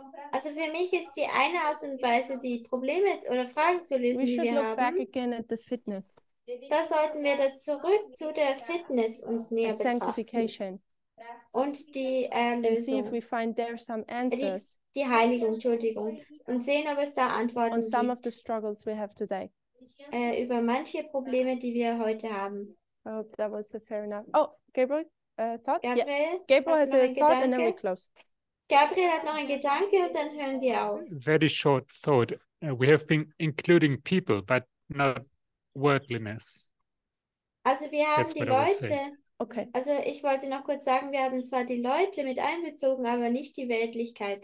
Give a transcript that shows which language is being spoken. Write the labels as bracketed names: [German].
[German] Also für mich ist die eine Art und Weise, die Probleme oder Fragen zu lösen, [English] we [German] die wir [English] look [German] haben. [English] Back again at the fitness. [German] Da sollten wir da zurück zu der Fitness uns näher betrachten. [English] Sanctification. [German] Und die Erlösung. [English] And see if we find there some answers. [German] Die Heiligung, Entschuldigung. Und sehen, ob es da Antworten [English] on some [German] gibt. [English] Of the struggles we have today. [German] Über manche Probleme, die wir heute haben. [English] I hope that was fair enough. Oh, Gabriel, thought? Gabriel, yeah. Gabriel has a thought and then we close. [German] Gabriel hat noch einen Gedanke und dann hören wir auf. [English] Very short thought. We have been including people, but not worldliness. [German] Also wir haben [English] That's [German] die Leute. [English] Okay. [German] Also ich wollte noch kurz sagen, wir haben zwar die Leute mit einbezogen, aber nicht die Weltlichkeit.